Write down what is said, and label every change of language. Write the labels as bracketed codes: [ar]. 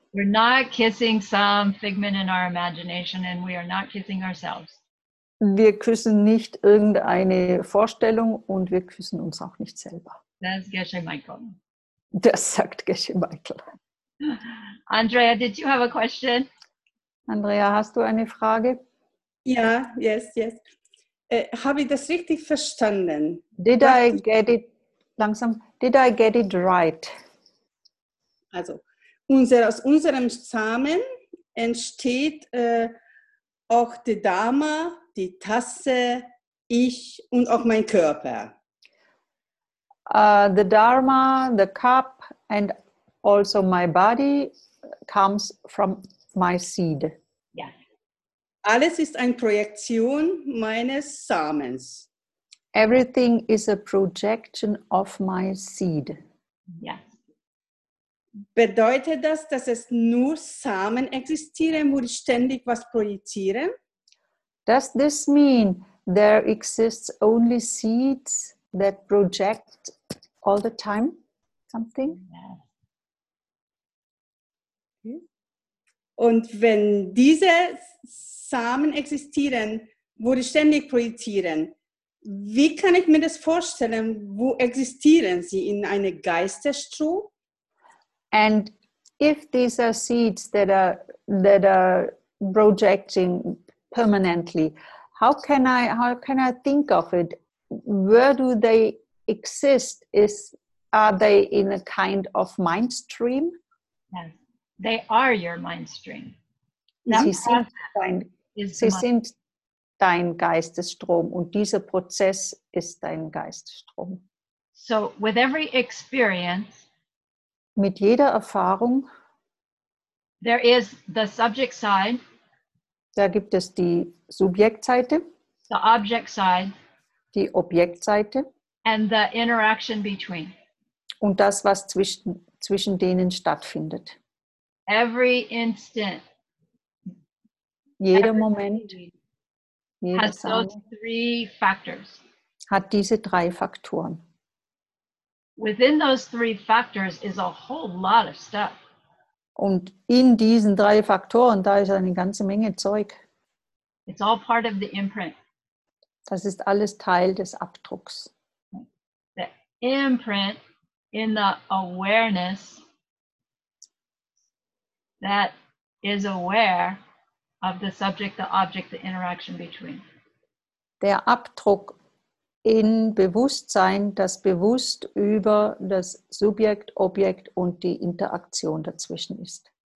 [en] We're not kissing some figment in our imagination and we are not kissing ourselves. [de] Wir küssen nicht irgendeine Vorstellung und wir küssen uns auch nicht selber. [en] That's Geshe Michael. [de] Das sagt Geshe Michael. [en] Andrea, did you have a question? [de] Andrea, hast du eine Frage? Ja, [en] yes, yes. [de] Habe ich das richtig verstanden? [en] Did I get it right? [de] Also, aus unserem Samen entsteht auch die Dame, die Tasse, ich und auch mein Körper. [en] The Dharma, the cup, and also my body comes from my seed. Yes. [de] Alles ist eine Projektion meines Samens. [en] Everything is a projection of my seed. Yes. [de] Bedeutet das, dass es nur Samen existieren, wo ich ständig was projiziere? [en] Does this mean there exists only seeds that project all the time something? [de] Und wenn diese Samen existieren, wo die ständig projizieren, wie kann ich mir das vorstellen, wo existieren sie in einer Geisterstroh? [en] And if these are seeds that are projecting permanently, how can I think of it? Where do they exist? Are they in a kind of mind stream? Yes, they are your mind stream. [de] Sie sind dein Geistesstrom und dieser Prozess ist dein Geistesstrom. [en] So with every experience, [de] mit jeder Erfahrung, [en] there is the subject side. [de] Da gibt es die Subjektseite, [en] the object side, [de] die Objektseite [en] and the interaction between. [de] Und das, was zwischen denen stattfindet. [en] Every instant, [de] jeder Moment [en] has those three factors. [de] Hat diese drei Faktoren. [en] Within those three factors is a whole lot of stuff. [de] Und in diesen drei Faktoren, da ist eine ganze Menge Zeug. [en] It's all part of the imprint. [de] Das ist alles Teil des Abdrucks. [en] The imprint in the awareness that is aware of the subject, the object, the interaction between. [de] Der Abdruck in Bewusstsein, das bewusst über das Subjekt, Objekt und die Interaktion dazwischen ist.